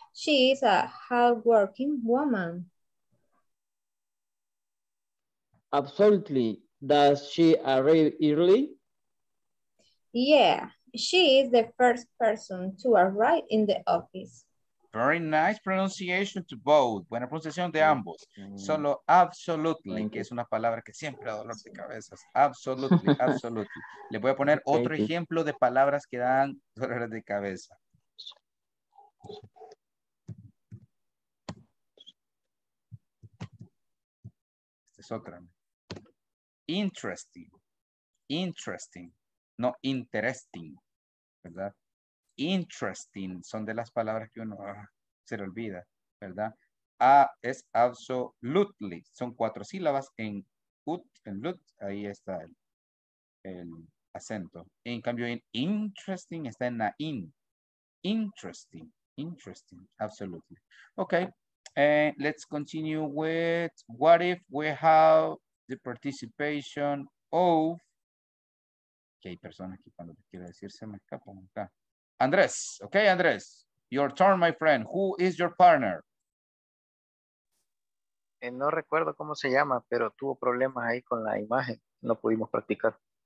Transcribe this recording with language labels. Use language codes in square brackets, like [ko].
[en] She is a hardworking woman. Absolutely. Does she arrive early? Yeah, she is the first person to arrive in the office. Very nice pronunciation to both. [es] Buena pronunciación de ambos. Solo absolutely, que es una palabra que siempre da dolor de cabezas. [en] Absolutely, absolutely. [es] Le voy a poner otro ejemplo de palabras que dan dolor de cabeza. Esta es otra. [en] Interesting. Interesting. [es] No, interesting. ¿Verdad? Interesting son de las palabras que uno se le olvida, ¿verdad? Es absolutely, son cuatro sílabas en ut, en lut, ahí está el acento. En cambio, en interesting está en la in. [en] Interesting, interesting, absolutely. Okay, let's continue with what if we have the participation of. [es] Que hay personas que cuando quiero decir se me escapan acá. [en] Andrés, okay, Andrés, your turn, my friend. Who is your partner? [es] No recuerdo cómo se llama, pero tuvo problemas ahí con la imagen. No pudimos practicar.